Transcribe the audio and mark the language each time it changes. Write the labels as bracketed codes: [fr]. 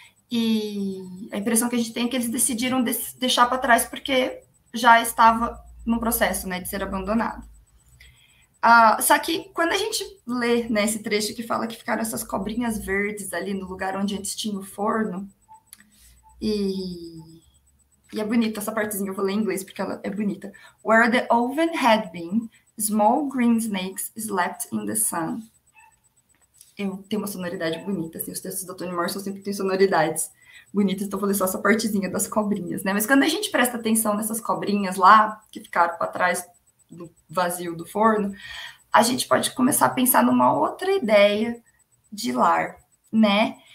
[pt] E a impressão que a gente tem é que eles decidiram deixar para trás porque já estava no processo, né, de ser abandonado. Só que quando a gente lê, né, esse trecho que fala que ficaram essas cobrinhas verdes ali no lugar onde antes tinha o forno, e é bonita essa partezinha, eu vou ler em inglês porque ela é bonita. [en] Where the oven had been, small green snakes slept in the sun. [pt] Eu tenho uma sonoridade bonita, assim, os textos do Toni Morrison sempre têm sonoridades bonitas, então vou ler só essa partezinha das cobrinhas, né? Mas quando a gente presta atenção nessas cobrinhas lá, que ficaram para trás do vazio do forno, a gente pode começar a pensar numa outra ideia de lar, né?